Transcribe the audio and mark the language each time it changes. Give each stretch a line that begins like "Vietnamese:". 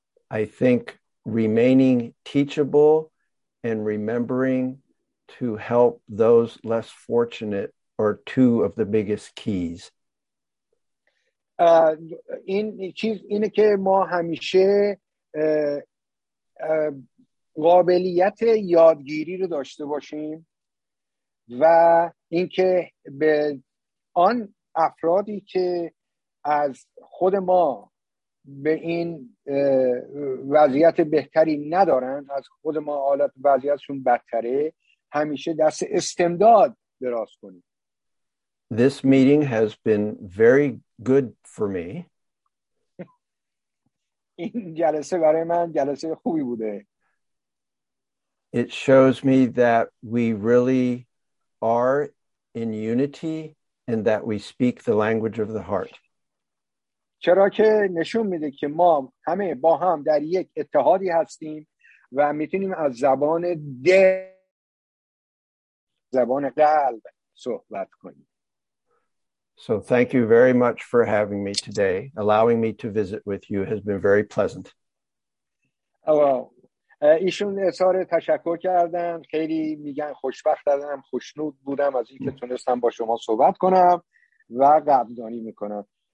English: I think remaining teachable and remembering to help those less fortunate are two of the biggest keys.
Persian: این چیز اینه که ما همیشه قابلیت یادگیری رو داشته باشیم و اینکه به آن افرادی که از خود ما به این وضعیت بهتری ندارن، از خود ما حالت وضعیتشون بدتره، همیشه دست استمداد دراز کنیم.
English: This meeting has been very good for me.
Persian: این جلسه برای من جلسه خوبی بوده.
English: It shows me that we really are in unity and that we speak the language of the heart.
Persian: چرا که نشون میده که ما همه با هم در یک اتحادی هستیم و میتونیم از زبان زبان قلب صحبت کنیم.
English: So thank you very much for having me today. Allowing me to visit with you has been very pleasant.
Persian: ایشون اظهار تشکر کردن، خیلی میگن خوشبخت بودم، خوشنود بودم از اینکه تونستم با شما صحبت کنم و قدردانی میکنم.